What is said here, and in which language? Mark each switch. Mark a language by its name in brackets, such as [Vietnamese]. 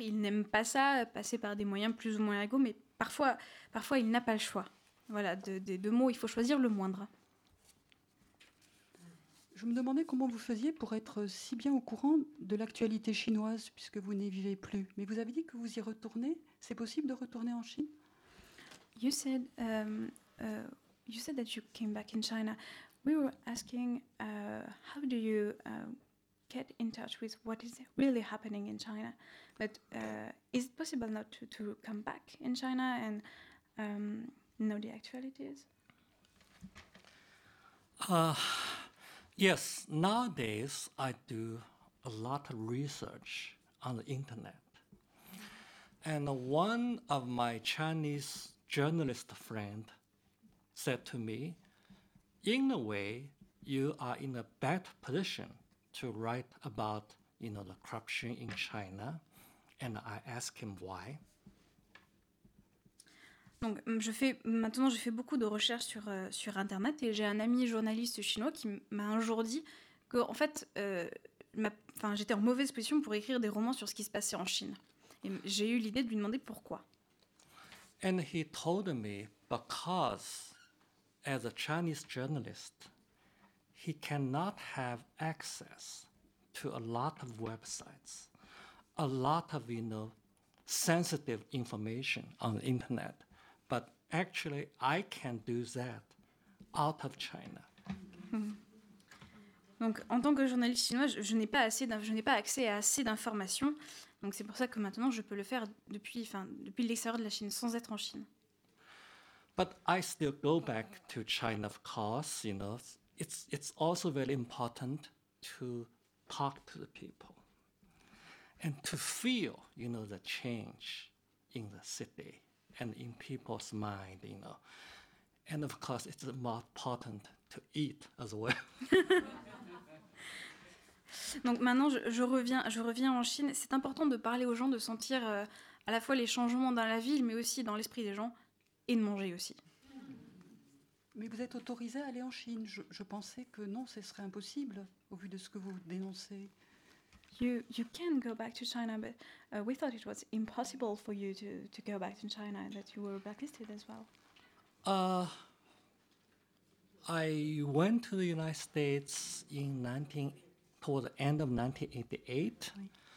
[French] Il n'aime pas ça, passer par des moyens plus ou moins égaux, mais parfois il n'a pas le choix. Voilà, des deux mots, il faut choisir le moindre. Je me demandais comment vous faisiez pour être si bien au courant de l'actualité chinoise, puisque vous n'y vivez plus. Mais vous avez dit que vous y retournez. C'est possible de retourner en Chine? [English] You said, you said that you came back in China. We were asking, how do you get in touch with what is really happening in China? But is it possible not to come back in China and know the actualities? Yes, nowadays I do a lot of research on the internet. And one of my Chinese journalist friend said to me, in a way, you are in a bad position to write about, you know, the corruption in China. And I asked him why. [French] Donc, je fais beaucoup de recherches sur Internet et j'ai un ami journaliste chinois qui m'a un jour dit que, en fait, j'étais en mauvaise position pour écrire des romans sur ce qui se passait en Chine. Et j'ai eu l'idée de lui demander pourquoi. [English] And he told me because, as a Chinese journalist, he cannot have access to a lot of websites, a lot of, you know, sensitive information on the Internet. But actually, I can do that out of China. [French] Donc, en tant que journaliste chinois, je n'ai pas accès à assez d'informations. Donc, c'est pour ça que maintenant, je peux le faire depuis l'extérieur de la Chine, sans être en Chine. [English] But I still go back to China, of course. You know, it's also very important to talk to the people and to feel, you know, the change in the city. And in people's mind, you know. And of course, it's more important to eat as well. [French] Donc maintenant, je reviens en Chine. C'est important de parler aux gens, de sentir à la fois les changements dans la ville, mais aussi dans l'esprit des gens, et de manger aussi. Mais vous êtes autorisé à aller en Chine. Je pensais que non, ce serait impossible, au vu de ce que vous dénoncez. [English] You can go back to China, but we thought it was impossible for you to go back to China and that you were blacklisted as well. I went to the United States toward the end of 1988. Oui.